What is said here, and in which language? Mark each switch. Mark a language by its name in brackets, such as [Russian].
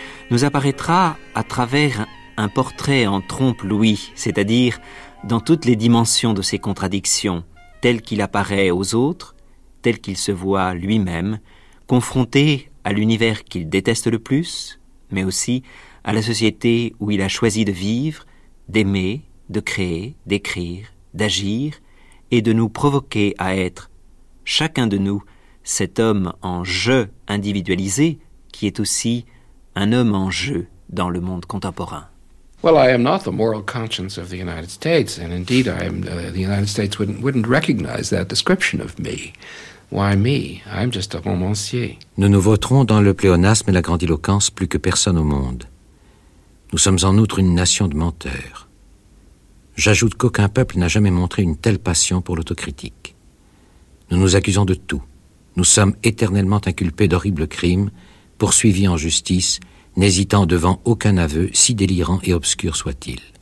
[French] nous apparaîtra à travers un portrait en trompe-l'ouïe, c'est-à-dire dans toutes les dimensions de ses contradictions, telles qu'il apparaît aux autres, telles qu'il se voit lui-même, confronté à l'univers qu'il déteste le plus, mais aussi à la société où il a choisi de vivre, d'aimer, de créer, d'écrire, d'agir et de nous provoquer à être, chacun de nous, cet homme en jeu individualisé qui est aussi un homme en jeu dans le monde contemporain. [English] Well, I am not the moral conscience of the United States, and indeed, the United States wouldn't recognize that description of me. Why me? I'm just a romancier. [French] Nous nous voterons dans le pléonasme et la grandiloquence plus que personne au monde. Nous sommes en outre une nation de menteurs. J'ajoute qu'aucun peuple n'a jamais montré une telle passion pour l'autocritique. Nous nous accusons de tout. Nous sommes éternellement inculpés d'horribles crimes, poursuivis en justice, n'hésitant devant aucun aveu, si délirant et obscur soit-il.